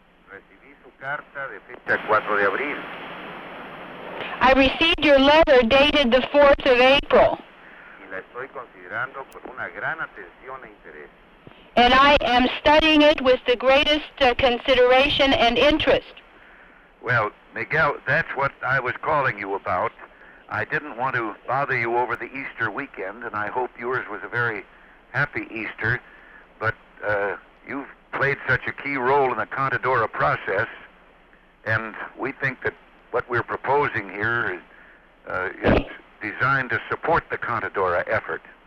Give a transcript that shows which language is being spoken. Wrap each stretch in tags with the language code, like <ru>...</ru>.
<es>Recibí su carta de fecha 4 de abril.</es> <en>I received your letter dated the 4th of April.</en> <es>Y la estoy considerando con una gran atención e interés.</es> <en>And I am studying it with the greatest consideration and interest. Well, Miguel, that's what I was calling you about. I didn't want to bother you over the Easter weekend, and I hope yours was a very happy Easter. But you've played such a key role in the Contadora process, and we think that what we're proposing here is designed to support the Contadora effort.</en>